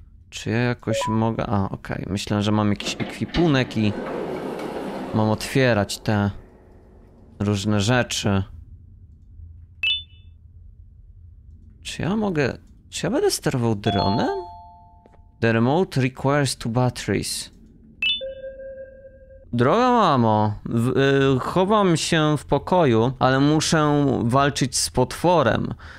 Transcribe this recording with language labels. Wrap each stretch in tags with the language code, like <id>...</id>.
<pl>Czy ja jakoś mogę... A, okej. Myślę, że mam jakiś ekwipunek i mam otwierać te różne rzeczy. Czy ja będę sterował dronem?</pl> <en>The remote requires two batteries.</en> <pl>Droga mamo, chowam się w pokoju, ale muszę walczyć z potworem.</pl>